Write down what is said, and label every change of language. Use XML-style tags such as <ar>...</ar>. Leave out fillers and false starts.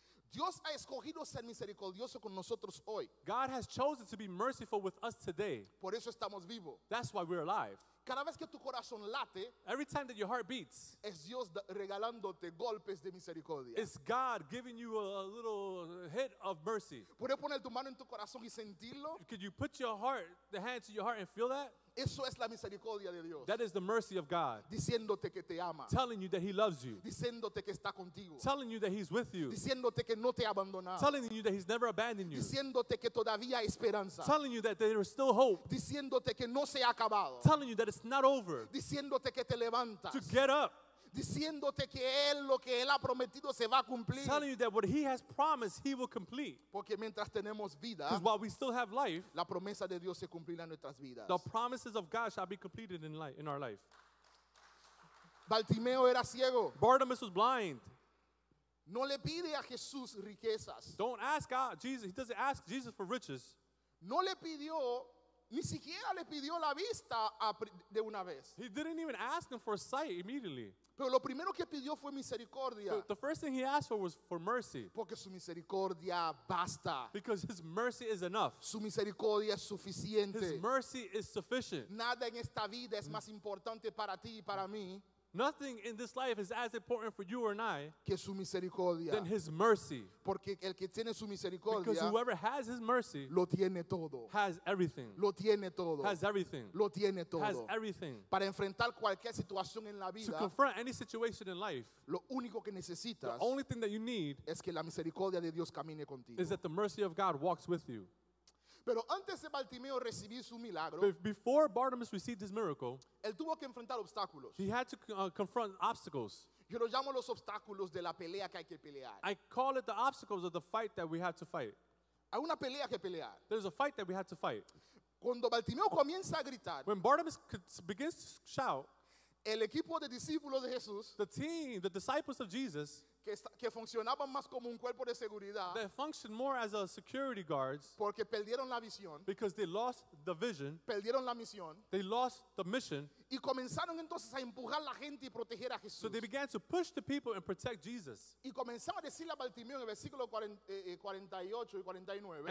<es>Dios ha escogido ser misericordioso con nosotros hoy.</es> <en>God has chosen to be merciful with us today.</en> <es>Por eso estamos vivos.</es> <en>That's why we're alive.</en> <es>Cada vez que tu corazón late,</es> <en>every time that your heart beats,</en> <es>es Dios regalándote golpes de misericordia.</es> <en>It's God giving you a little hit of mercy.</en> <es>¿Puedes poner tu mano en tu corazón y sentirlo?</es> <en>Could you put your heart, the hand to your heart and feel that?</en> <es>Eso es la misericordia de Dios.</es> <en>That is the mercy of God.</en> <es>Diciéndote que te ama.</es> <en>Telling you that he loves you.</en> <es>Diciéndote que está contigo.</es> <en>Telling you that he's with you.</en> <es>Diciéndote que no te ha abandonado.</es> <en>Telling you that he's never abandoned you.</en> <es>Diciéndote que todavía hay esperanza.</es> <en>Telling you that there is still hope.</en> <es>Diciéndote que no se ha acabado.</es> <en>Telling you that it's not over.</en> <es>Diciéndote que te levantas.</es> <en>To get up.</en> <es>Diciéndote que él lo que él ha prometido se va a cumplir.</es> <en>Telling you that what he has promised he will complete.</en> <es>Porque mientras tenemos vida,</es> <en>because while we still have life,</en> <es>la promesa de Dios se cumplirá en nuestras vidas.</es> <en>The promises of God shall be completed in our life.</en> <es>Bartimeo era ciego.</es> <en>Bartimaeus was blind.</en> <es>No le pide a Jesús riquezas.</es> <en>Don't ask God, Jesus. He doesn't ask Jesus for riches.</en> <es>No le pidió. Ni siquiera le pidió la vista de una vez.</es> <en>He didn't even ask him for sight immediately.</en> <es>Pero lo primero que pidió fue misericordia.</es> <en>The first thing he asked for was for mercy.</en> <es>Porque su misericordia basta.</es> <en>Because his mercy is enough.</en> <es>Su misericordia es suficiente.</es> <en>His mercy is sufficient.</en> <es>Nada en esta vida es más importante para ti y para mí.</es> <en>Nothing in this life is as important for you or I</en> <es>que su misericordia.</es> <en>Than his mercy.</en> <es>Porque el que tiene su misericordia,</es> <en>because whoever has his mercy</en> <es>lo tiene todo.</es> <en>Has everything.</en> <es>Lo tiene todo.</es> <en>Has everything.</en> <es>Lo tiene todo.</es> <en>Has everything.</en> <es>Para enfrentar cualquier situación en la vida,</es> <en>to confront any situation in life,</en> <es>lo único que necesitas,</es> <en>the only thing that you need</en> <es>es que la misericordia de Dios camine contigo.</es> <en>Is that the mercy of God walks with you.</en> <es>Pero antes de Bartimeo recibir su milagro,</es> <en>before Bartimaeus received his miracle,</en> <es>él tuvo que enfrentar obstáculos.</es> <en>He had to confront obstacles.</en> <es>Yo lo llamo los obstáculos de la pelea que hay que pelear.</es> <en>I call it the obstacles of the fight that we have to fight.</en> <es>Hay una pelea que pelear.</es> <en>There's a fight that we have to fight.</en> <es>Cuando Bartimeo comienza a gritar,</es> <en>when Bartimaeus begins to shout,</en> <es>el equipo de discípulos de Jesús,</es> <en>the team, the disciples of Jesus,</en> <es>que funcionaban más como un cuerpo de seguridad,</es> <en>they functioned more as a security guards,</en> <es>porque perdieron la visión,</es> <en>because they lost the vision,</en> <es>perdieron la misión,</es> <en>they lost the mission,</en> <es>y comenzaron entonces a empujar la gente y proteger a Jesús.</es> <en>So they began to push the people and protect Jesus.</en> <es>Y comenzaron a decirle a Bartimeo en el versículo 48 y 49,</es>